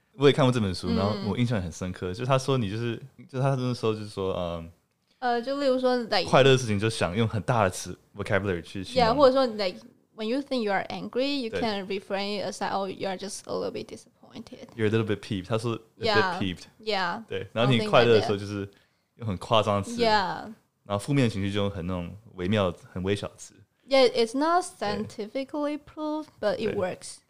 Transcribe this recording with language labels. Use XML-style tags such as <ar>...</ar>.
<zh>我也看过这本书，然后我印象很深刻，就是他说你就是他那时候就是说就例如说 like, 快乐的事情就想用很大的词 vocabulary 去形容。</zh> <en>yeah,</en> <zh>或者说</zh> <en>like, when you think you are angry, you can reframe it as like, oh, you are just a little bit disappointed. You're a little bit peeved.</en> <zh>他说</zh> <en>a bit peeved. Yeah.</en> <zh>对，然后你快乐的时候就是用很夸张的词。</zh> <en>Yeah.</en> <zh>然后负面的情绪就用很那种微妙很微小的词。</zh> <en>Yeah, it's not scientifically proved, but it works.</en>